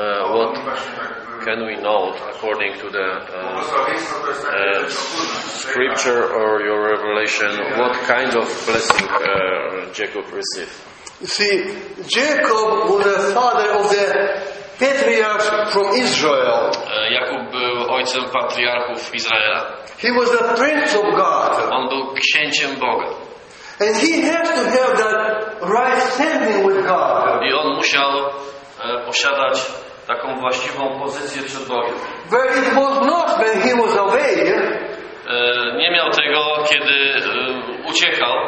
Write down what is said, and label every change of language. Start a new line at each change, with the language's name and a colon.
English: What can we know according to the scripture or your revelation, what kind of blessing Jacob received? See, Jacob was the father of the patriarch from Israel.
Polish: Jakub był ojcem patriarchów Izraela.
English: He was the prince of God.
Polish: On był księciem Boga.
English: And he had to have that right standing with God.
Polish: I on musiał posiadać taką właściwą pozycję przed Bogiem.
English: But it was not when he was away.
Polish: Nie miał tego, kiedy uciekał.